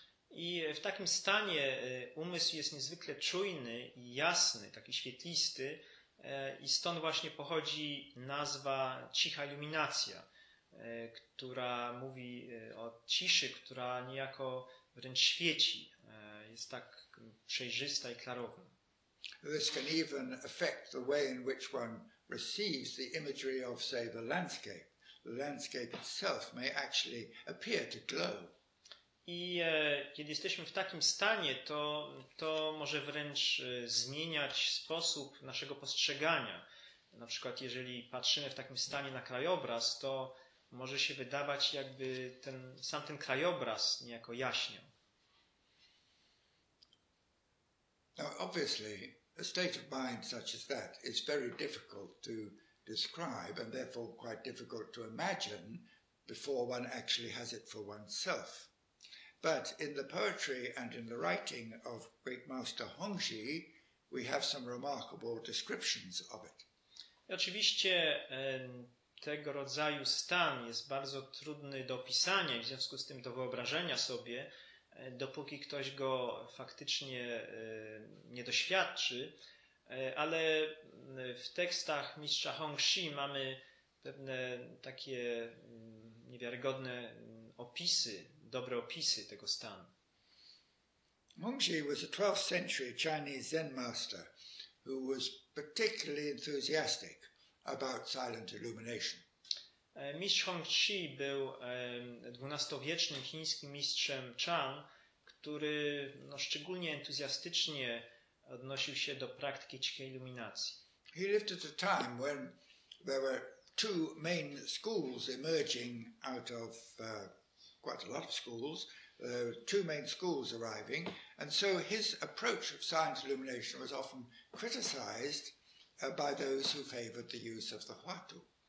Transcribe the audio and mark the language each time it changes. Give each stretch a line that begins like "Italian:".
Polish: I w takim stanie umysł jest niezwykle czujny i jasny, taki świetlisty. I stąd właśnie pochodzi nazwa cicha iluminacja, która mówi o ciszy, która niejako wręcz świeci, jest tak przejrzysta i klarowna.
English: This can even affect the way in which one receives the imagery of, say, the landscape. The landscape itself may actually appear to glow.
Polish: I kiedy jesteśmy w takim stanie, to może wręcz zmieniać sposób naszego postrzegania. Na przykład jeżeli patrzymy w takim stanie na krajobraz, to może się wydawać, jakby sam ten krajobraz niejako jaśniał.
English: Now obviously a state of mind such as that is very difficult to describe and therefore quite difficult to imagine before one actually has it for oneself. But in the poetry and in the writing of great master Hongzhi, we have some remarkable descriptions of it.
Polish: Oczywiście tego rodzaju stan jest bardzo trudny do opisania, w związku z tym do wyobrażenia sobie, dopóki ktoś go faktycznie nie doświadczy. Ale w tekstach mistrza Hongzhi mamy pewne takie niewiarygodne opisy, dobre opisy tego stanu.
English: Hongzhi was a 12th century Chinese Zen master who was particularly enthusiastic about silent illumination.
Polish: Mistrz Hongzhi był 12-wiecznym chińskim mistrzem Chan, który szczególnie entuzjastycznie odnosił się do praktyki cichej iluminacji.
English: He lived at a time when there were two main schools emerging out of quite a lot of schools, two main schools arriving, and so his approach of silent illumination was often criticized by those who favored the use of the huatu.